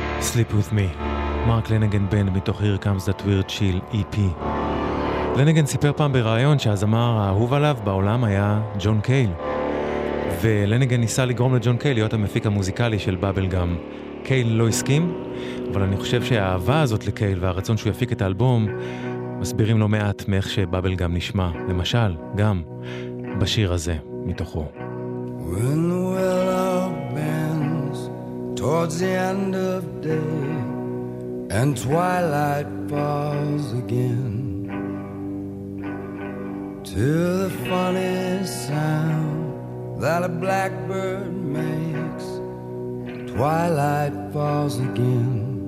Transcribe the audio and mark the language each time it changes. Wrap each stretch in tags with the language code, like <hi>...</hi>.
<he>Sleep with me, מארק לאנגן בנד, מתוך Here Comes That Weird Chill EP. לאנגן סיפר פעם בראיון שהזמר האהוב עליו בעולם היה ג'ון קייל, ולאנגן ניסה לגרום לג'ון קייל להיות המפיק המוזיקלי של בבל גם. קייל לא הסכים, אבל אני חושב שהאהבה הזאת לקייל והרצון שהוא יפיק את האלבום מסבירים לא מעט מאיך שבבל גם נשמע, למשל, גם בשיר הזה, מתוכו.</he> <en>When the willow bends towards the end of day and twilight falls again to the funny sound that a blackbird makes, twilight falls again.</en>